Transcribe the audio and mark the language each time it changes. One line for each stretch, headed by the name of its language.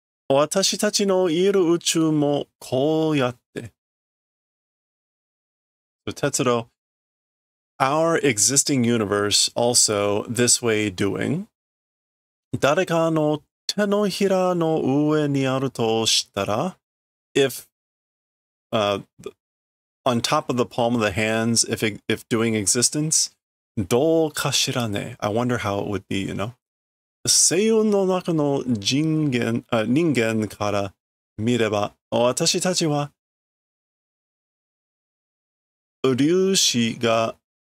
Japanese: 私たちのいる宇宙もこうやって.
English: So Tetsuro, our existing universe also this way doing.
Japanese: 誰かの手のひらの上にあるとしたら,
English: if on top of the palm of the hands, if doing existence,
Japanese: どうかしらね?
English: I wonder how it would be, you know?
Japanese: 星雲の中の人間から見れば、私たちは粒子が